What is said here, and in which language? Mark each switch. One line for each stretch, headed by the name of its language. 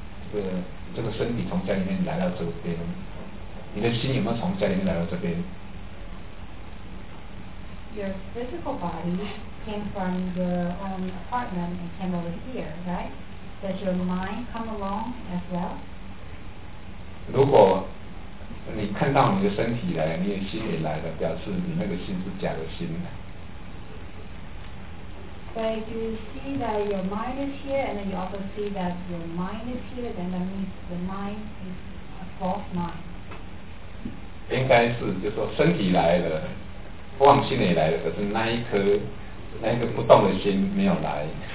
Chinese: 这个身体从家里面来到这边，你的心有没有从家里面来到这边？
English: Your physical body came from your own apartment and came over here, right? Does your mind come along as well?
Chinese: 如果你看到你的身体来，你的心也来了，表示你那个心是假的心。
English: But if you see that your mind is here, and then you also see that your mind is here, then that means the mind is a false mind.
Chinese: 应该是，就是说身体来了，不忘心也来了，可是那一颗不动的心没有来。